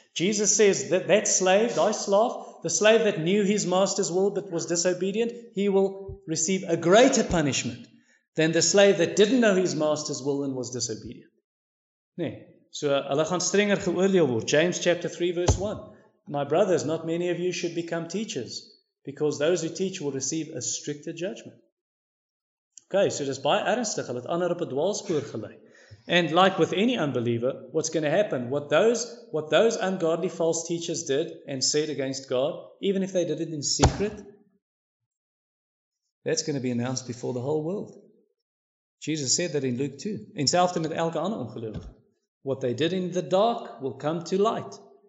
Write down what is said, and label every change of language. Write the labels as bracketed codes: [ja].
[en] Jesus says that that slave, thy slave, the slave that knew his master's will but was disobedient, he will receive a greater punishment than the slave that didn't know his master's will and was disobedient. Nee. [af] So, hulle gaan strenger geoordeel word. [en] James chapter 3 verse 1. My brothers, not many of you should become teachers because those who teach will receive a stricter judgment. [af] Okay, so dis baie ernstig, hulle het ander op 'n dwaalspoor gelei. [en] And like with any unbeliever, what's going to happen? What those ungodly false teachers did and said against God, even if they did it in secret, that's going to be announced before the whole world. Jesus said that in Luke 2. [af] En selfde met elke ander ongelowige. [en] What they did in the dark will come to light.